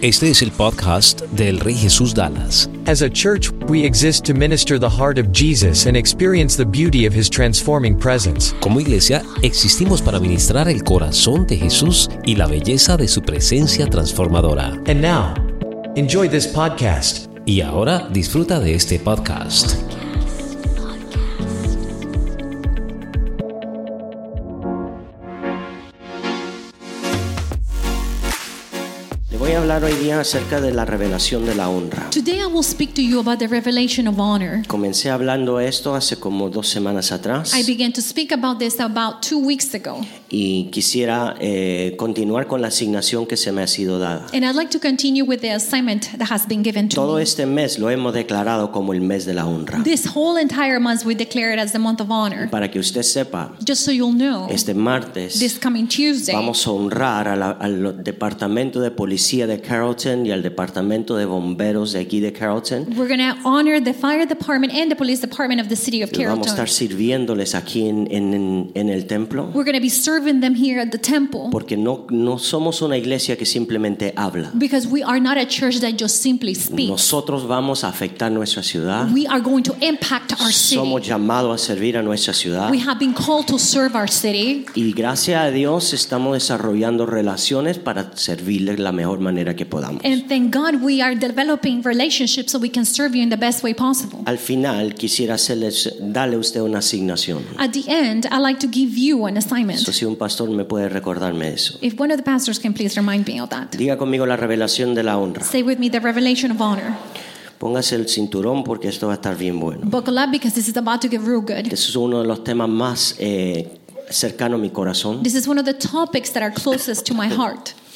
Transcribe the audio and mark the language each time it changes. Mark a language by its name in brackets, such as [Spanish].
[Spanish] Este es el podcast del Rey Jesús Dallas. [English] As a church, we exist to minister the heart of Jesus and experience the beauty of His transforming presence. [Spanish] Como iglesia, existimos para ministrar el corazón de Jesús y la belleza de su presencia transformadora. [English] And now, enjoy this podcast. [Spanish] Y ahora, disfruta de este podcast. Voy a hablar hoy día acerca de la revelación de la honra. [English] Today I will speak to you about the revelation of honor. [Spanish] Comencé hablando esto hace como dos semanas atrás. [English] I began to speak about this about 2 weeks ago. [Spanish] Y quisiera continuar con la asignación que se me ha sido dada. [English] And I'd like to continue with the assignment that has been given to me. [Spanish] Todo este mes lo hemos declarado como el mes de la honra. [English] This whole entire month we declare it as the month of honor. [Spanish] Para que usted sepa. [English] Just so you'll know. [Spanish] Este martes. [English] This coming Tuesday. [Spanish] Vamos a honrar al departamento de policía. De Carrollton y al departamento de bomberos de aquí de Carrollton. [English] We're going to honor the fire department and the police department of the city of Carrollton. [Spanish] Vamos a estar sirviéndoles aquí en el templo. [English] We're going to be serving them here at the temple. [Spanish] Porque no somos una iglesia que simplemente habla. [English] Because we are not a church that just simply speaks. [Spanish] Nosotros vamos a afectar nuestra ciudad. [English] We are going to impact our city. [Spanish] Somos llamados a servir a nuestra ciudad. [English] We have been called to serve our city. [Spanish] Y gracias a Dios estamos desarrollando relaciones para servirle la mejor manera que podamos. [English] And thank God we are developing relationships so we can serve you in the best way possible. [Spanish] Al final quisiera hacerles darle usted una asignación. [English] At the end I'd like to give you an assignment. [Spanish] Si un pastor me puede recordarme eso. [English] If one of the pastors can please remind me of that. [Spanish] Diga conmigo la revelación de la honra. [English] Say with me the revelation of honor. [Spanish] Póngase el cinturón porque esto va a estar bien bueno. [English] Buckle up because this is about to get real good. [Spanish] Este es uno de los temas más cercano a mi corazón. [English] This is one of the topics that are closest to my heart.